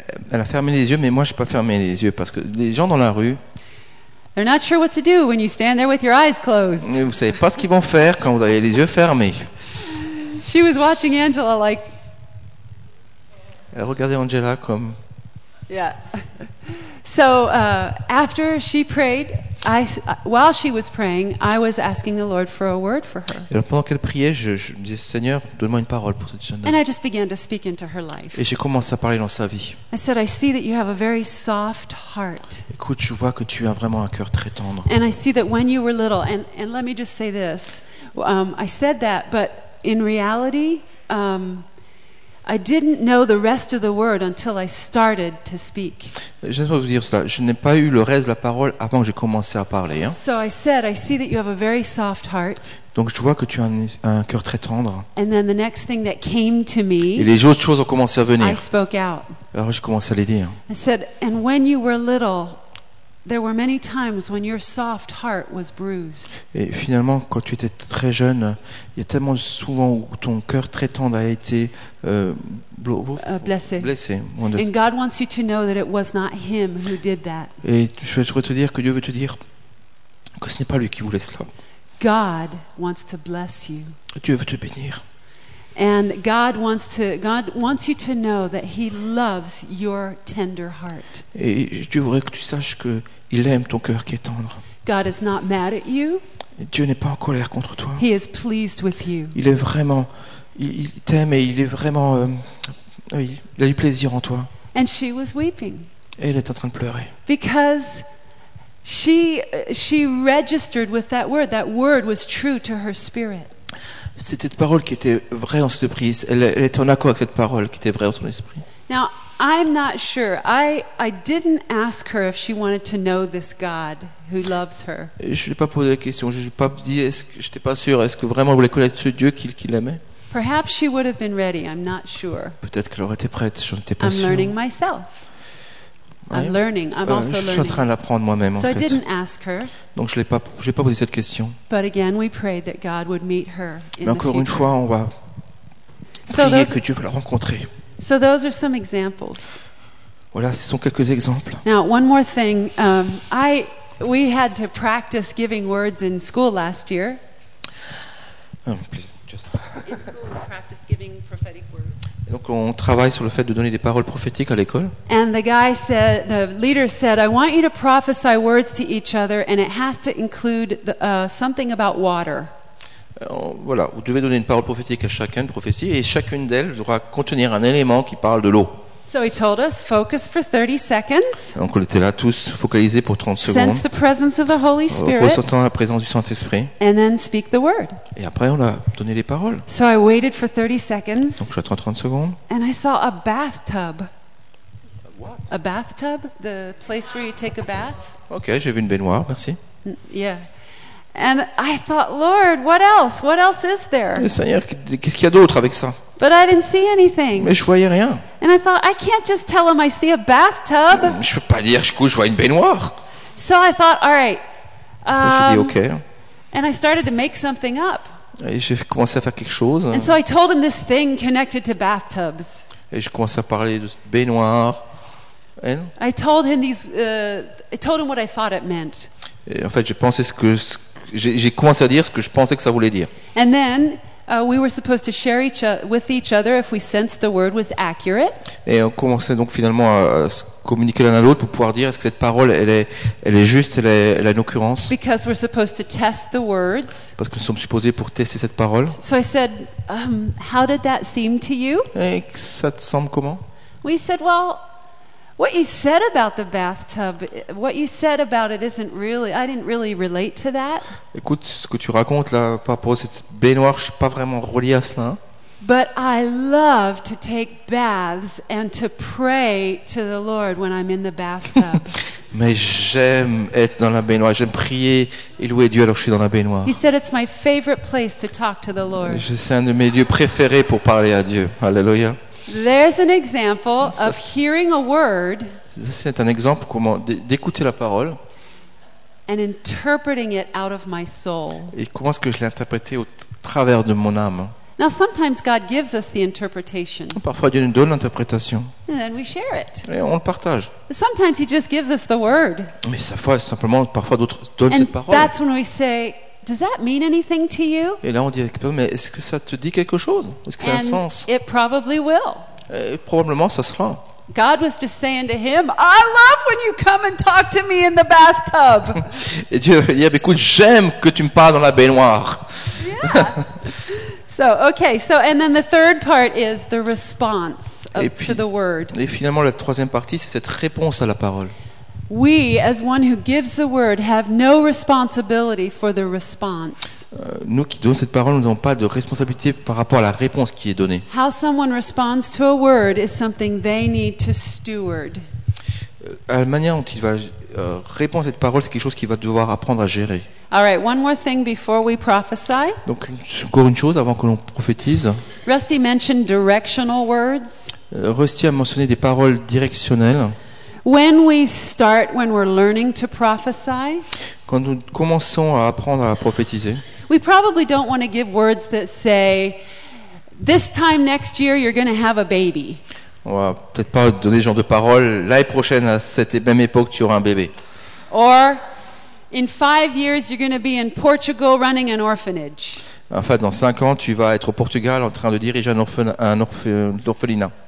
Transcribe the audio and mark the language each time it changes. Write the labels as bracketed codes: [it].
[fr] Elle a fermé les yeux, mais moi j'ai pas fermé les yeux parce que les gens dans la rue. [en] They're not sure what to do when you stand there with your eyes closed. [fr] Vous savez pas ce qu'ils vont faire quand vous avez les yeux fermés. [en] She was watching Angela like. [fr] Elle regardait Angela comme. [en] Yeah. So after she prayed, while she was praying, I was asking the Lord for a word for her. [fr] Et pendant qu'elle priait, je me disais, Seigneur, donne-moi une parole pour cette jeune dame. [en] And I just began to speak into her life. [fr] Et j'ai commencé à parler dans sa vie. [en] I said, I see that you have a very soft heart. [fr] Écoute, je vois que tu as vraiment un cœur très tendre. [en] And I see that when you were little, and let me just say this, I said that, but in reality, I didn't know the rest of the word until I started to speak. [fr] J'aimerais vous dire cela. Je n'ai pas eu le reste de la parole avant que j'ai commencé à parler. Hein. [en] So I said, I see that you have a very soft heart. [fr] Donc je vois que tu as un cœur très tendre. [en] And then the next thing that came to me. [fr] Et les autres choses ont commencé à venir. [en] I spoke out. [fr] Alors je commence à les dire. [en] I said, and when you were little, there were many times when your soft heart was bruised. [fr] Et finalement, quand tu étais très jeune, il y a tellement souvent où ton cœur très tendre a été blessé. [en] And God wants you to know that it was not Him who did that. [fr] Et je voudrais te dire que Dieu veut te dire que ce n'est pas lui qui voulait cela. [en] God wants to bless you. [fr] Dieu veut te bénir. [en] And God wants you to know that He loves your tender heart. [fr] Et Dieu voudrait que tu saches que Il aime ton cœur qui est tendre. [en] God is not mad at you. [fr] Dieu n'est pas en colère contre toi. [en] He is pleased with you. [fr] Il est vraiment, il t'aime et il est vraiment, il a du plaisir en toi. [en] And she was weeping. [fr] Et elle est en train de pleurer. [en] Because she registered with that word. That word was true to her spirit. [fr] C'était une parole qui était vraie dans son esprit. Elle était en accord avec cette parole qui était vraie dans son esprit. [en] Now, I'm not sure. I didn't ask her if she wanted to know this God who loves her. [fr] Je lui ai pas posé la question. Je lui ai pas dit. J'étais pas sûr. Est-ce que vraiment elle voulait connaître ce Dieu qui l'aimait? [en] Perhaps she would have been ready. I'm not sure. [fr] Peut-être qu'elle aurait été prête. Je n'étais pas sûr. [en] I'm learning myself. I'm learning. I'm also learning. [fr] Je suis en train d'apprendre moi-même. [en] So I didn't ask her. [fr] Donc je n'ai pas posé cette question. [en] But again, we prayed that God would meet her in the future. [fr] Mais encore une fois, on va prier que Dieu va la rencontrer. [en] So those are some examples. [fr] Voilà, ce sont quelques exemples. [en] Now, one more thing. We had to practice giving words in school last year. Please, just. In school, we practiced giving prophetic words. [fr] Donc on travaille sur le fait de donner des paroles prophétiques à l'école. [en] And the guy said, the leader said, I want you to prophesy words to each other, and it has to include something about water. [fr] Voilà, vous devez donner une parole prophétique à chacun, une prophétie, et chacune d'elles devra contenir un élément qui parle de l'eau. [en] So he told us, focus for 30 seconds. [fr] Donc on était là tous, focalisés pour 30 secondes. [en] Sense the presence of the Holy Spirit. [fr] Ressentant la présence du Saint-Esprit. [en] And then speak the word. [fr] Et après on a donné les paroles. [en] So I waited for 30 seconds. [fr] Donc j'attends 30 secondes. [en] And I saw a bathtub. What? A bathtub, the place where you take a bath. [fr] Ok, j'ai vu une baignoire, merci. [en] Yeah. And I thought, Lord, what else? What else is there? [fr] Mais Seigneur, qu'est-ce qu'il y a d'autre avec ça? [en] But I didn't see anything. [fr] Mais je voyais rien. [en] And I thought, I can't just tell him I see a bathtub. [fr] Je peux pas dire, je vois une baignoire. [en] So I thought, all right. [fr] J'ai dit, okay. [en] And I started to make something up. [fr] Et j'ai commencé à faire quelque chose. [en] And so I told him this thing connected to bathtubs. [fr] Et je commençais à parler de baignoire. [en] I told him what I thought it meant. [fr] Et en fait, j'ai commencé à dire ce que je pensais que ça voulait dire. [en] And then we were supposed to share with each other if we sensed the word was accurate. [fr] Et on commençait donc finalement à se communiquer l'un à l'autre pour pouvoir dire est-ce que cette parole elle est juste, elle a une occurrence. [en] Because we're supposed to test the words. [fr] Parce que nous sommes supposés pour tester cette parole. [en] So I said, how did that seem to you? [fr] Et ça te semble comment? [en] We said, well, what you said about the bathtub, what you said about it isn't really, I didn't really relate to that. [fr] Écoute, ce que tu racontes là, par rapport à cette baignoire, je ne suis pas vraiment relié à cela. [en] But I love to take baths and to pray to the Lord when I'm in the bathtub. [fr] Mais j'aime être dans la baignoire, j'aime prier et louer Dieu alors que je suis dans la baignoire. [en] He said it's my favorite place to talk to the Lord. [fr] C'est un de mes lieux préférés pour parler à Dieu. Alléluia. [en] There's an example of hearing a word. [fr] C'est un exemple comment d'écouter la parole. [en] And interpreting it out of my soul. [fr] Et comment est-ce que je l'ai interprété au travers de mon âme? [en] Now sometimes God gives us the interpretation. [fr] Parfois Dieu nous donne l'interprétation. [en] And then we share it. [fr] Et on le partage. [en] Sometimes He just gives us the word. [fr] Mais sa foi simplement parfois d'autres donnent [en] and [fr] cette parole. [en] And that's when we say, does that mean anything to you? [fr] Et là on dit, mais est-ce que ça te dit quelque chose? Est-ce que [en] and [fr] ça a un sens? [en] It probably will. [fr] Et probablement ça sera. [en] God was just saying to him, I love when you come and talk to me in the bathtub. [fr] Et Dieu lui dit, écoute, j'aime que tu me parles dans la baignoire. [en] So, okay, so, and then the third part is the response of, to the word. [fr] Et finalement, la troisième partie, c'est cette réponse à la parole. [en] We, as one who gives the word, have no responsibility for the response. [fr] Nous qui donnons cette parole, nous n'avons pas de responsabilité par rapport à la réponse qui est donnée. [en] How someone responds to a word is something they need to steward. [fr] À la manière dont il va répondre à cette parole, c'est quelque chose qu'il va devoir apprendre à gérer. [en] All right, one more thing before we prophesy. [fr] Donc encore une chose avant que l'on prophétise. [en] Rusty mentioned directional words. [fr] Rusty a mentionné des paroles directionnelles. [en] When we start, when we're learning to prophesy, [fr] quand nous commençons à apprendre à prophétiser, [en] we probably don't want to give words that say, "This time next year, you're going to have a baby." [fr] On va peut-être pas donner ce genre de paroles. L'année prochaine, à cette même époque, tu auras un bébé. [en] Or, in 5 years, you're going to be in Portugal running an orphanage. [fr] Enfin, dans 5 ans, tu vas être au Portugal en train de diriger un orphelinat.